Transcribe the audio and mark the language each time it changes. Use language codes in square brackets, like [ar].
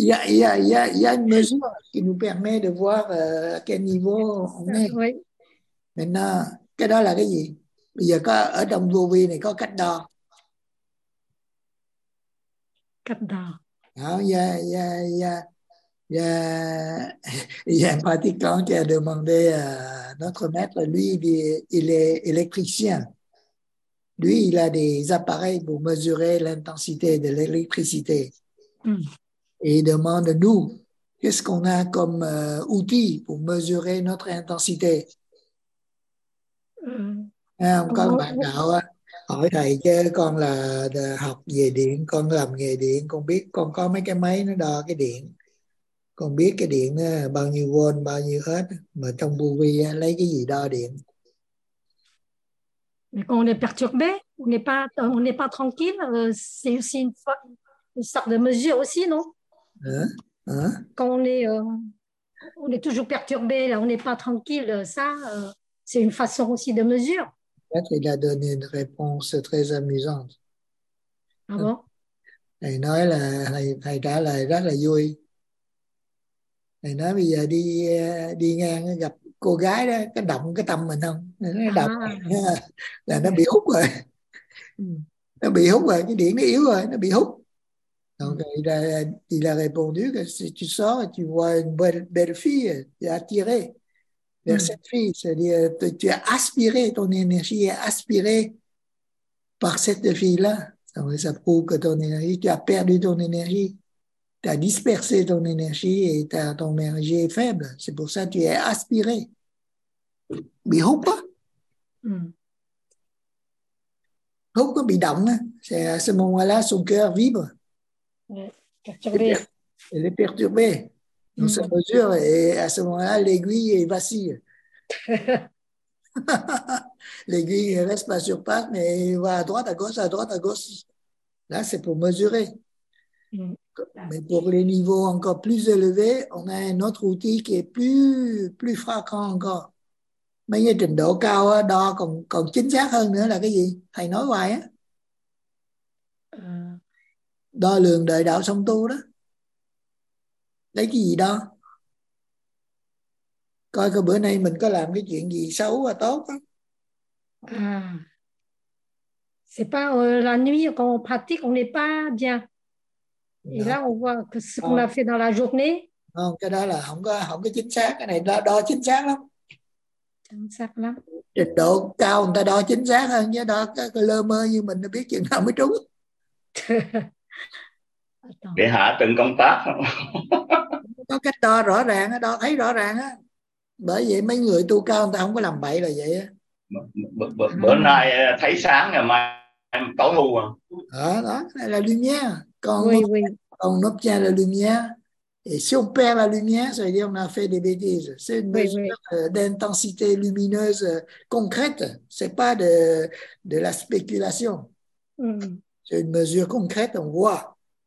[fr] Il y a une mesure qui nous permet de voir à quel niveau on est. Oui. [vi] Maintenant, cái đó là cái gì? Bây giờ có ở trong vô vi này có cách đo. Cách đo. [fr] Non, il y a un pratiquant qui a demandé à notre maître, lui, il est électricien. Lui, il a des appareils pour mesurer l'intensité de l'électricité. Et il demande, nous, qu'est-ce qu'on a comme outil pour mesurer notre intensité? [vi] Con bạn đạo, hỏi thầy chứ con là học về điện, con làm nghề điện, con biết con có mấy cái máy nó đo cái điện. Con biết cái điện bao nhiêu volt, bao nhiêu hết, mà trong vô vi lấy cái gì đo điện. [fr] Mais quand on est perturbé, on n'est pas tranquille, c'est aussi une sorte de mesure aussi, non? Hein? Quand on est toujours perturbé, là, on n'est pas tranquille, ça, c'est une façon aussi de mesure. Peut-être il a donné une réponse très amusante. Ah bon? [vi] Thầy nói là, thầy trả lời rất là vui. Thầy nói bây giờ đi ngang gặp cô gái đó, cái động cái tâm mình không? Nó động là nó bị hút rồi. Nó bị hút rồi, cái điện nó yếu rồi, nó bị hút. [fr] Donc il a répondu que si tu sors et tu vois une belle fille, tu es attiré vers cette fille. C'est-à-dire tu as aspiré, ton énergie est aspirée par cette fille-là. Donc, ça prouve que ton énergie, tu as perdu ton énergie. Tu as dispersé ton énergie et ton énergie est faible. C'est pour ça que tu es aspiré. [vi] Bị hút quá. Hút quá, bị động. [fr] C'est à ce moment-là, son cœur vibre. Elle est perturbée. Dans sa mesure, et à ce moment-là, l'aiguille vacille. L'aiguille ne reste pas sur patte, mais elle va à droite, à gauche, à droite, à gauche. Là, c'est pour mesurer. Mais pour les niveaux encore plus élevés, on a un autre outil qui est plus fréquent encore. [vi] Mấy cái trình độ cao đo còn chính xác hơn nữa là cái gì? Thầy nói hoài á. Đo lường đời đạo song tu đó. Lấy cái gì đo? Coi bữa nay mình có làm cái chuyện gì xấu và tốt á. [fr] C'est pas la nuit quand on pratique, on n'est pas bien. Et là, on voit que ce qu'on a fait dans la journée. [vi] Non, cái đó là không có chính xác. Cái này đo chính xác lắm. Chính xác lắm. Trình độ cao người ta đo chính xác hơn. Nhớ đo cái lơ mơ như mình nó biết chừng nào mới trúng. Để hạ từng công tác. Có cách đo rõ ràng, đo thấy rõ ràng. Bởi vậy mấy người tu cao người ta không có làm bậy là vậy. Bữa nay thấy sáng, ngày mai em tối hù à. Đó, đây là lưu nhé. [fr] Quand on obtient la lumière, et si on perd la lumière, ça veut dire qu'on a fait des bêtises. C'est une mesure d'intensité lumineuse concrète. Ce n'est pas de la spéculation. C'est une mesure concrète, on voit.